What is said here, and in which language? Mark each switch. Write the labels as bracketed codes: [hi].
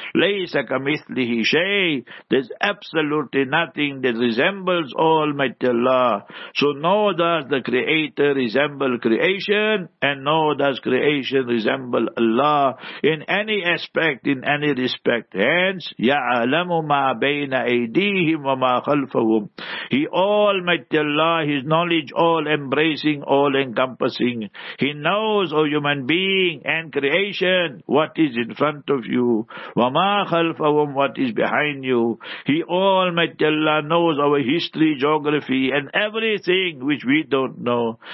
[ar] لَيْسَ كَمِثْلِهِ شَيْءٍ. [en] There's absolutely nothing that resembles Almighty Allah. So nor does the Creator resemble creation, and nor does creation resemble Allah in any aspect, in any respect. [ar] Hence, يَعْلَمُ مَا بَيْنَ أَيْدِيهِمْ وَمَا خَلْفَهُمْ. [en] He, Almighty Allah, His knowledge all embracing, all encompassing. He knows, O human being and creation, what is in front of you. [ar] وَمَا خَلْفَهُمْ. [en] What is behind you. He, Almighty Allah, knows our history, geography, and everything which we don't know.